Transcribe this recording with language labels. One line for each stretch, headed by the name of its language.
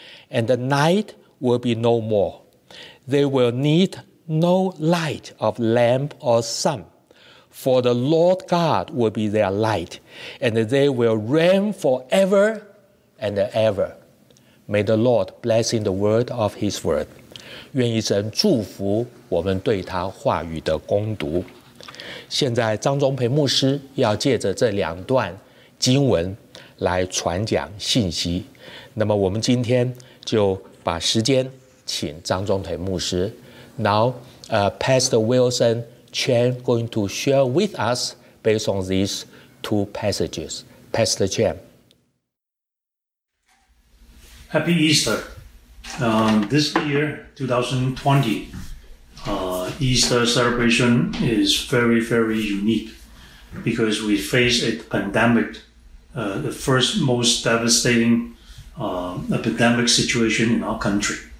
English: And the night will be no more. They will need no light of lamp or sun, for the Lord God will be their light, and they will reign forever and ever. May the Lord bless in the word of his word.
Chinese: 愿一神祝福我们对他话语的攻读。现在张宗培牧师要借着这两段经文来传讲信息，那么我们今天就把时间请张宗培牧师。
English: Now, Pastor Wilson Chen going to share with us based on these two passages. Pastor Chen. Happy Easter. This year, 2020, Easter celebration is very, very unique because we face a pandemic, the first most devastating epidemic situation in our country.